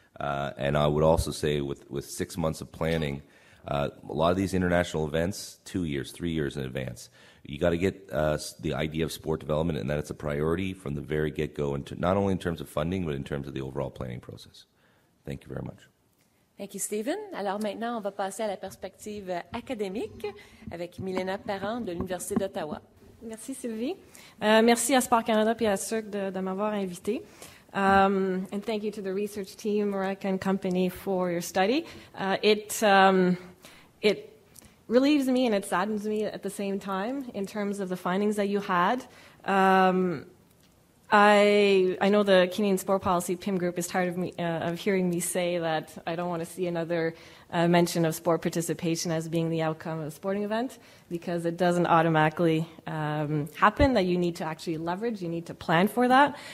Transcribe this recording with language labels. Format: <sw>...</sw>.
<en>And I would also say with 6 months of planning, a lot of these international events, 2 years, 3 years in advance, you got to get the idea of sport development and that it's a priority from the very get-go, and not only in terms of funding, but in terms of the overall planning process. Thank you very much. Thank you, Stephen.</en> <fr>Alors maintenant, on va passer à la perspective académique avec Milena Parent de l'Université d'Ottawa. Merci, Sylvie. Merci à Sport Canada et à CIRC de m'avoir invité.</fr> <en>And thank you to the research team, Marek and company, for your study. It relieves me and it saddens me at the same time in terms of the findings that you had. I know the Canadian Sport Policy PIM group is tired of me of hearing me say that I don't want to see another mention of sport participation as being the outcome of a sporting event, because it doesn't automatically happen, that you need to actually leverage, you need to plan for that.</en>